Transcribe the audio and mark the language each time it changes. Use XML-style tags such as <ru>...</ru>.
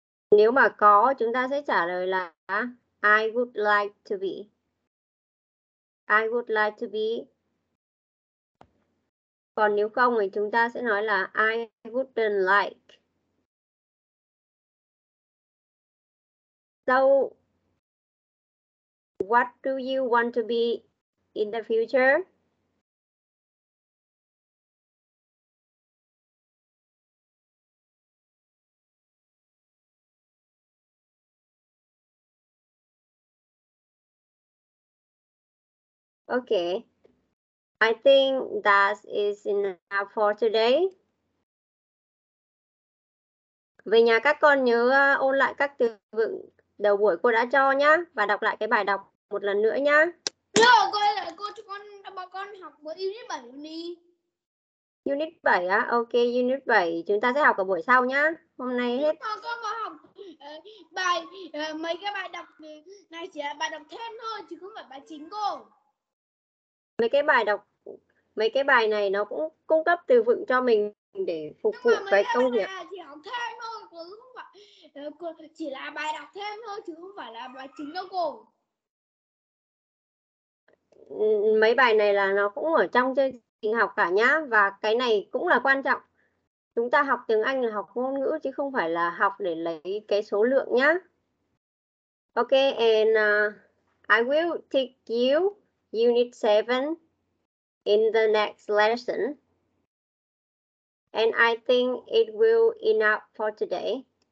<vi>Nếu mà có, chúng ta sẽ trả lời là</vi> <en>I would like to be. I would like to be.</en> <vi>Còn nếu không thì chúng ta sẽ nói là</vi> <en>I wouldn't like. So, what do you want to be in the future? Okay, I think that is enough for today.</en> <vi>Về nhà các con nhớ ôn lại các từ vựng đầu buổi cô đã cho nhá và đọc lại cái bài đọc một lần nữa nhá. Rồi, cô cho con bà con học buổi unit 7 đi. Unit 7 á? Ok, unit 7 chúng ta sẽ học ở buổi sau nhá. Hôm nay hết. Nhưng mà con có học bài mấy cái bài đọc này chỉ là bài đọc thêm thôi chứ không phải bài chính cô. Mấy cái bài này nó cũng cung cấp từ vựng cho mình để phục vụ cái công việc. Chỉ học thêm thôi, chỉ là bài đọc thêm thôi chứ không phải là bài chính đâu cô. Mấy bài này là nó cũng ở trong chương trình học cả nhá, và cái này cũng là quan trọng. Chúng ta học tiếng Anh là học ngôn ngữ chứ không phải là học để lấy cái số lượng nhá.</vi> <en>Ok, and I will take you Unit 7 in the next lesson. And I think it will enough for today.</en>